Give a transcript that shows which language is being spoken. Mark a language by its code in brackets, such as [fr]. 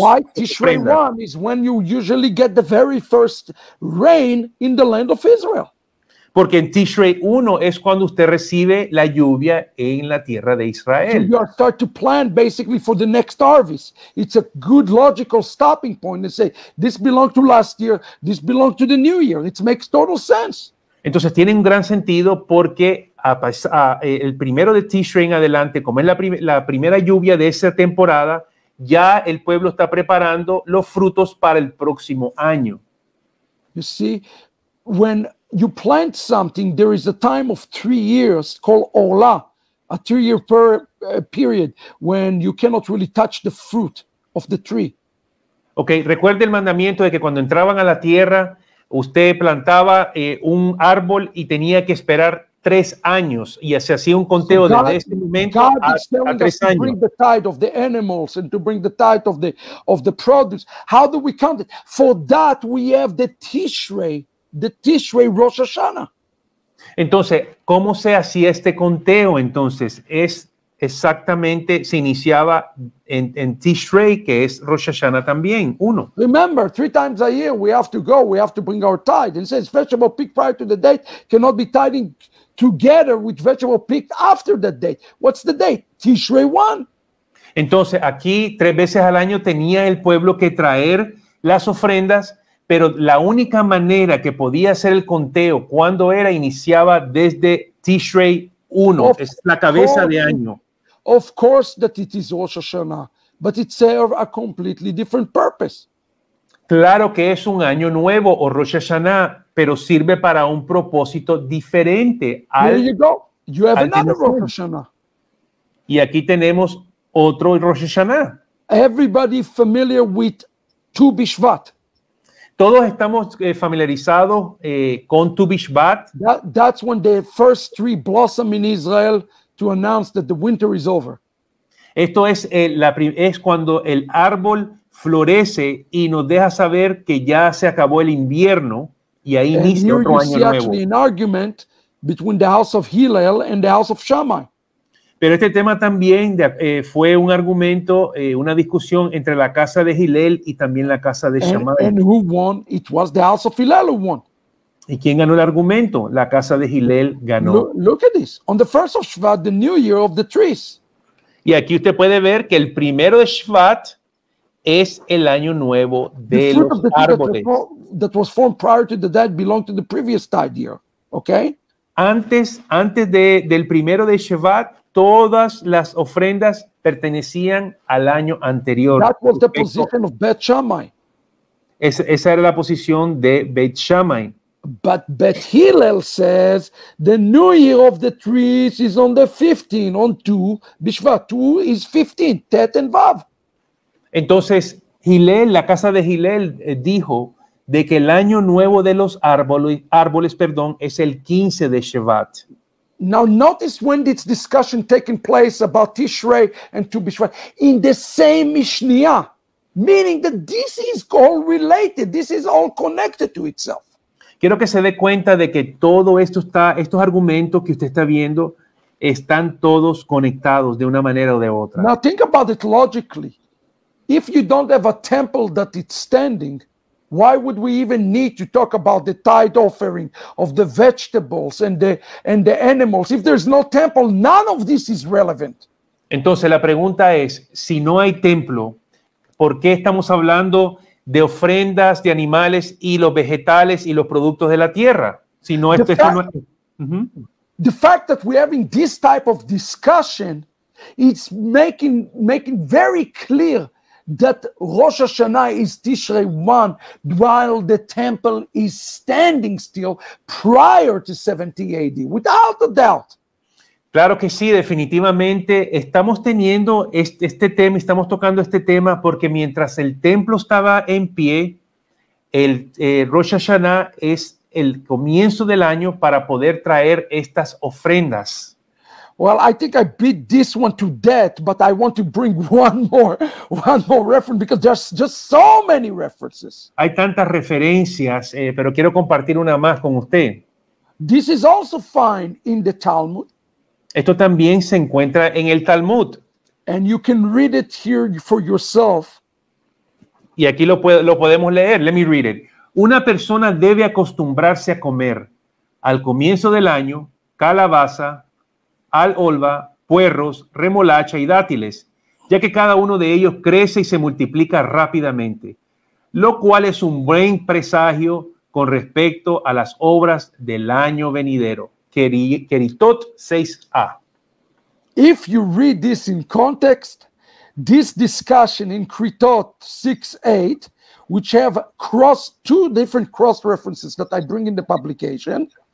[en] Why Tishrei 1 is when you usually get the very first rain in the land of Israel. [es] Porque en Tishrei 1 es cuando usted recibe la lluvia en la tierra de Israel. [en] So you start to plan basically for the next harvest. It's a good logical stopping point to say, this belonged to last year, this belonged to the new year. It makes total sense. [es] Entonces tiene un gran sentido porque el primero de Tishrei en adelante, como es la primera lluvia de esa temporada, ya el pueblo está preparando los frutos para el próximo año. [en] You see, when you plant something, there is a time of 3 years called Ola, a 3 year period when you cannot really touch the fruit of the tree. [es] Okay, recuerde el mandamiento de que cuando entraban a la tierra, usted plantaba un árbol y tenía que esperar 3 años y se hacía un conteo desde ese momento a 3 años. [en] To bring the tithe of the animals and to bring the tithe of the produce. How do we count it? For that we have the Tishrei Rosh Hashanah. [es] Entonces, ¿cómo se hacía este conteo? Entonces, es exactamente, se iniciaba en Tishrei, que es Rosh Hashanah también, uno. [en] Remember, 3 times a year we have to go, we have to bring our tithe. It says vegetable picked prior to the date cannot be tithing together with vegetable picked after the date. What's the date? Tishrei 1. [es] Entonces, aquí 3 veces al año tenía el pueblo que traer las ofrendas, pero la única manera que podía hacer el conteo cuando era iniciaba desde Tishrei 1, es la cabeza de año. [en] Of course that it is Rosh Hashanah, but it serves a completely different purpose. [es] Claro que es un año nuevo o Rosh Hashanah, pero sirve para un propósito diferente. [en] There you go. You have another Rosh Hashanah. [es] Y aquí tenemos otro Rosh Hashanah. [en] Everybody familiar with Tu Bishvat. [es] Todos estamos familiarizados con Tu Bishvat. [en] That's when the first tree blossom in Israel to announce that the winter is over. [es] Esto es es cuando el árbol florece y nos deja saber que ya se acabó el invierno y ahí inicia otro año nuevo. [en] And here you see an argument between the house of Hillel and the house of Shammai. [es] Pero este tema también fue un argumento, una discusión entre la casa de Hillel y también la casa de Shammai. [en] And who won? It was the house of Hillel who won. [es] ¿Y quién ganó el argumento? La casa de Hillel ganó. [en] Look at this. On the first of Shvat, the new year of the trees. [es] Y aquí usted puede ver que el primero de Shvat es el año nuevo de los árboles. [en] That was formed prior to the dead belonged to the previous tide year. Okay? [es] Antes del primero de Shvat, todas las ofrendas pertenecían al año anterior. [en] That was the position of Beit Shammai. [es] Esa era la posición de Beit Shammai. [en] But Beit Hillel says the new year of the trees is on the 15, on 2, Bishvat 2 is 15, Tet and Vav. [es] Entonces, Hillel, la casa de Hillel, dijo de que el año nuevo de los árboles, es el 15 de Shevat. [en] Now notice when this discussion taking place about Tishrei and Tu Bishvat in the same Mishniah, meaning that this is all related, this is all connected to itself. [es] Quiero que se dé cuenta de que todo esto estos argumentos que usted está viendo están todos conectados de una manera o de otra. [en] Now think about it logically. If you don't have a temple that it's standing, why would we even need to talk about the tithe offering of the vegetables and the animals? If there's no temple, none of this is relevant. [es] Entonces la pregunta es, si no hay templo, ¿por qué estamos hablando de ofrendas, de animales y los vegetales y los productos de la tierra? Si no, [en] The fact that we're having this type of discussion, it's making very clear that Rosh Hashanah is Tishrei 1 while the temple is standing still prior to 70 AD, without a doubt. [es] Claro que sí, definitivamente estamos teniendo este tema, estamos tocando este tema porque mientras el templo estaba en pie, el Rosh Hashanah es el comienzo del año para poder traer estas ofrendas. [en] Well, I think I beat this one to death, but I want to bring one more reference because there's just so many references. [es] Hay tantas referencias, pero quiero compartir una más con usted. [en] This is also found in the Talmud. [es] Esto también se encuentra en el Talmud. [en] And you can read it here for yourself. [es] Y aquí lo podemos leer. [en] Let me read it. [es] Una persona debe acostumbrarse a comer al comienzo del año calabaza, alholva, puerros, remolacha y dátiles, ya que cada uno de ellos crece y se multiplica rápidamente, lo cual es un buen presagio con respecto a las obras del año venidero. [en] Keritot 6a. If you read this in context, this discussion in Keritot 6:8, which have cross two different cross references that I bring in the publication.